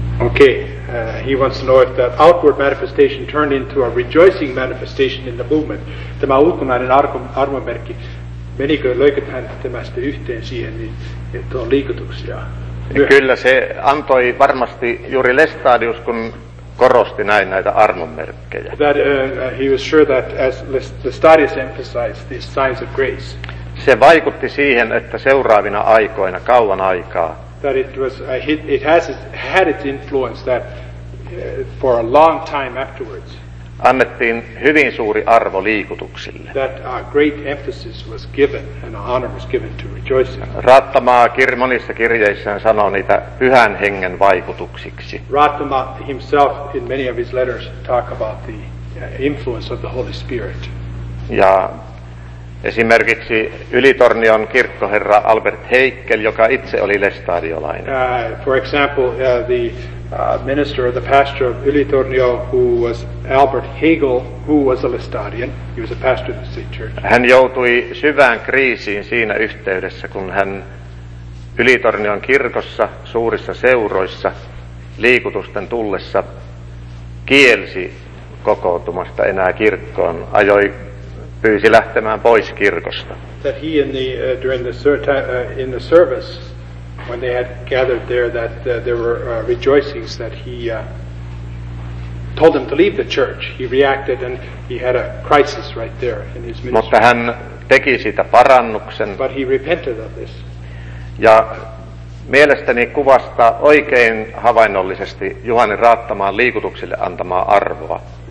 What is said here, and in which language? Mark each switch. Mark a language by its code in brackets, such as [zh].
[en] Okay, he wants to know if that outward manifestation turned into a rejoicing manifestation in the movement. [fi] Tämä ulkonainen armonmerkki, menikö, löikö hän tämästä yhteen siihen, niin että on liikutuksia. Kyllä, se antoi varmasti juuri Lestadius, kun korosti näin näitä armonmerkkejä. [en] That he was sure that as Lestadius emphasized these signs of grace. [fi] Se vaikutti siihen, että seuraavina aikoina, kauan aikaa, [en] that it was it has had its influence that for a long time afterwards. [fi] Annettiin hyvin suuri arvo liikutuksille. [en] That great emphasis was given and honor was given to rejoicing. [fi] Raattamaa monissa kirjeissään sanoo niitä pyhän hengen vaikutuksiksi. [en] Raattama himself in many of his letters talk about the influence of the Holy Spirit. [fi] Ja esimerkiksi Ylitornion kirkkoherra Albert Heikkel, joka itse oli lestadiolainen. [en] For example, the minister or the pastor of Ylitornio, who was Albert Hegel, who was a Lestadian, he was a pastor of the state church. [fi] Hän joutui syvään kriisiin siinä yhteydessä, kun hän Ylitornion kirkossa suurissa seuroissa liikutusten tullessa kielsi kokoutumasta enää kirkkoon, ajoi pyysi lähtemään pois kirkosta. [en] That he in the during the in the service when they had gathered there that there were rejoicings that he told them to leave the church. He reacted and he had a crisis right there in his ministry. [fi] Mutta hän teki siitä parannuksen. [en] But he repented of this. [fi] Ja mielestäni kuvastaa oikein havainnollisesti Juhani Raattamaan liikutuksille antamaa arvoa.